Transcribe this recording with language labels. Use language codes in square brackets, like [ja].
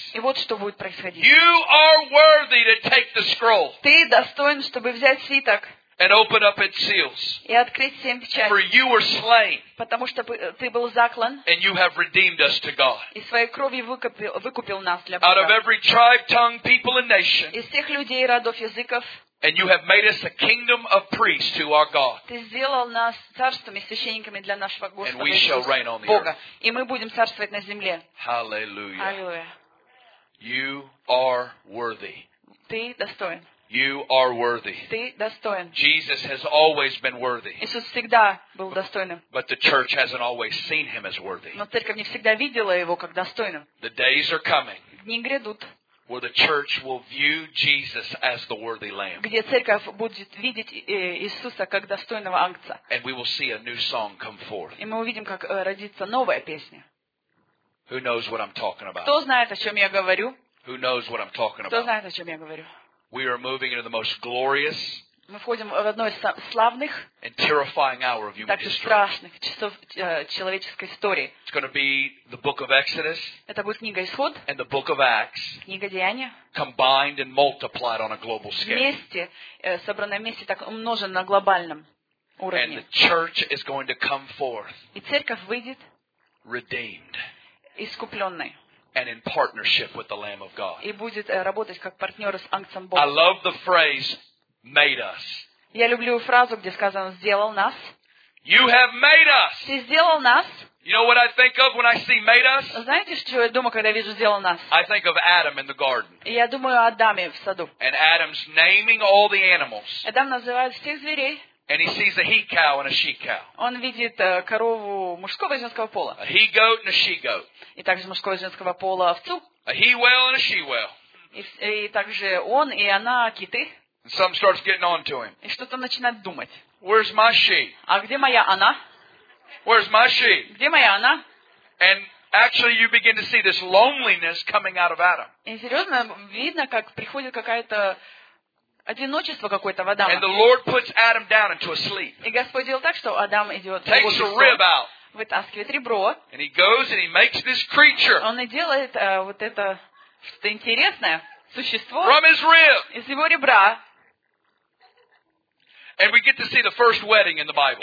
[ru] И вот что будет происходить. [en] You are worthy to take the scroll. [ru] Ты достоин, чтобы взять свиток. [en] And open up its seals. [ru] И открыть семь печатей. [en] For you were slain. [ru] Потому что ты был заклан. [en] And you have redeemed us to God. [ru] И своей кровью выкупил нас для Бога. [en] Out of every tribe, tongue, people and nation. [ru] Из всех людей, родов, языков. [en] And you have made us a kingdom of priests to our God. [ru] Ты сделал нас царством и священниками для нашего Господа. [en] And we shall reign on the earth. Бога. [ru] И мы будем царствовать на земле. [en] Hallelujah. Hallelujah. You are worthy. [ru] Ты достоин. [en] You are worthy. [ru] Ты достоин. [en] Jesus has always been worthy. [ru] Иисус всегда был достойным. [en] But the church hasn't always seen him as worthy. [ru] Но церковь не всегда видела его как достойным. [en] The days are coming. [ru] Дни грядут. [en] Where the church will view Jesus as the worthy lamb. [ru] Где церковь будет видеть Иисуса как достойного агнца. [en] And we will see a new song come forth. [ru] И мы увидим, как родится новая песня. [en] Who knows what I'm talking about? [ru] Кто знает, о чём я говорю? [en] Who knows what I'm talking about? [ru] Кто знает, о чём я говорю? [en] We are moving into the most glorious. [ru] Мы входим в одно из славных. [en] And terrifying hour of human history. [ru] Так страшных часов человеческой истории. [en] It's going to be the book of Exodus. [ru] Это будет книга Исход. [en] And the book of Acts. [ru] Книга Деяния. [en] Combined and multiplied on a global scale. [ru] Вместе, собранное вместе, так умножено на глобальном уровне. [en] And the church is going to come forth. [ru] И церковь выйдет. [en] Redeemed. [ru] Искупленной. [en] And in partnership with the Lamb of God. [ru] И будет работать как партнер с агнцем Бога. [en] I love the phrase made us. [ru] Я люблю фразу, где сказано сделал нас. [en] You have made us. [ru] Ты сделал нас. [en] You know what I think of when I see made us? [ru] Знаете, что я думаю, когда вижу сделал нас? [en] I think of Adam in the garden. [ru] Я думаю о Адаме в саду. [en] And Adam's naming all the animals. [ru] Адам называет всех зверей. [en] And he sees a he cow and a she cow. [ru] Он видит корову мужского и женского пола. [en] A he goat and a she goat. [ru] И также мужского и женского пола овцу. [en] A he whale and a she whale. [ru] И также он и она киты. [en] And something starts getting on to him. [ru] И что-то начинает думать. [en] Where's my she? [ru] А где моя она? [en] Where's my she? [ru] Где моя она? [en] And actually, you begin to see this loneliness coming out of Adam. [ru] И серьезно видно, как приходит какая-то одиночество какое-то в Адама. [en] And the Lord puts Adam down into a sleep. [ru] И Господь делал так, что Адам идет. [en] Takes a rib out. [ru] Вытаскивает ребро. [en] And he goes and he makes this creature. [ru] Он и делает вот это что-то интересное существо. [en] From his rib. [ru] Из его ребра. [en] And we get to see the first wedding in the Bible.